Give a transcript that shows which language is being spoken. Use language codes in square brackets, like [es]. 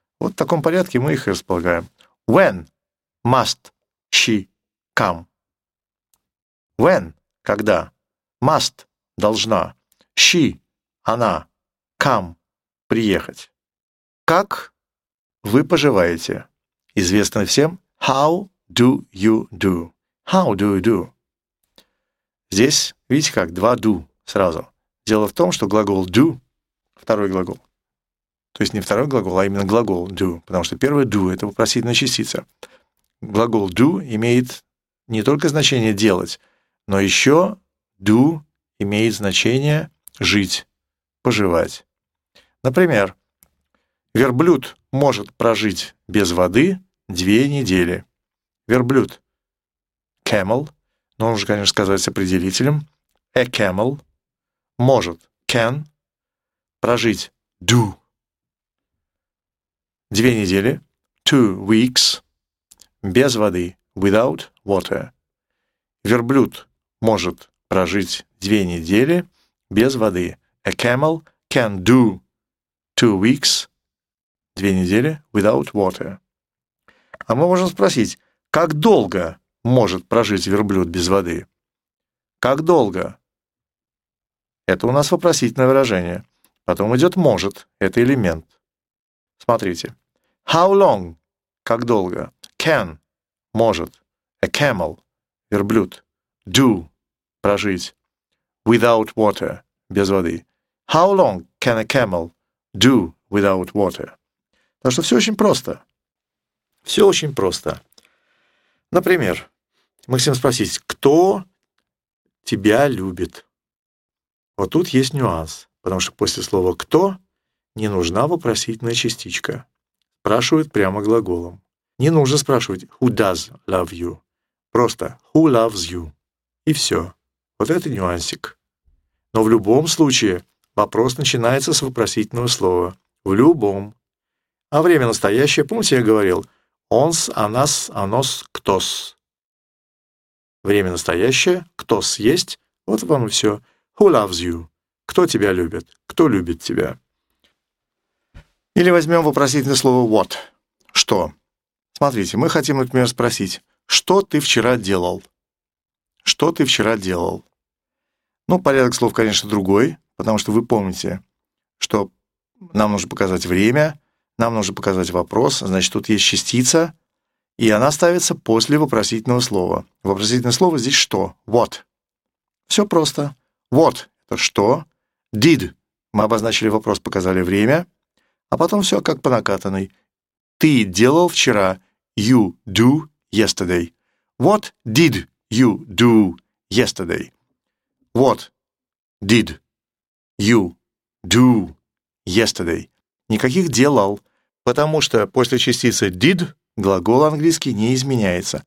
[ru] Вот в таком порядке мы их и располагаем. [en] When must she come? [ru] When – когда. Must – должна. She – она. Come – приехать. Как вы поживаете? Известно всем [en] «How do you do?» «How do you do?» [ru] Здесь, видите, как два «do» сразу. Дело в том, что глагол «do» — второй глагол. То есть не второй глагол, а именно глагол «do», потому что первое «do» — это вопросительная частица. Глагол «do» имеет не только значение «делать», но еще «do» имеет значение «жить», «поживать». Например, верблюд может прожить без воды 2 недели. Верблюд — camel, но он же, конечно, сказать с определителем [en] «a camel». [ru] Может, can, прожить, do. 2 недели, [en] 2 weeks, [ru] без воды, [en] without water. [ru] Верблюд может прожить 2 недели без воды. [en] A camel can do 2 weeks, [ru] 2 недели, [en] without water. [ru] А мы можем спросить, как долго может прожить верблюд без воды? Как долго? Это у нас вопросительное выражение. Потом идет может, это элемент. Смотрите. [en] How long? [ru] Как долго? Can? Может. [en] A camel? [ru] Верблюд. Do? Прожить. [en] Without water? [ru] Без воды. [en] How long can a camel do without water? [ru] Потому что все очень просто. Все очень просто. Например, мы хотим спросить, кто тебя любит? Вот тут есть нюанс, потому что после слова «кто» не нужна вопросительная частичка. Спрашивают прямо глаголом. Не нужно спрашивать [en] «who does love you?» [ru] Просто [en] «who loves you?» [ru] И все. Вот это нюансик. Но в любом случае вопрос начинается с вопросительного слова. В любом. А время настоящее, помните, я говорил «ons», «onas», «onos», «ktos». Время настоящее, «ktos» есть, вот вам и все. [en] Who loves you? [ru] Кто тебя любит? Кто любит тебя? Или возьмем вопросительное слово what. Что? Смотрите, мы хотим, например, спросить, что ты вчера делал? Что ты вчера делал? Ну, порядок слов, конечно, другой, потому что вы помните, что нам нужно показать время, нам нужно показать вопрос, значит, тут есть частица, и она ставится после вопросительного слова. Вопросительное слово здесь что? What. Все просто. What – это что? Did – мы обозначили вопрос, показали время, а потом все как по накатанной. Ты делал вчера – [en] you do yesterday. What did you do yesterday? What did you do yesterday? [ru] Никаких «делал», потому что после частицы did глагол английский не изменяется.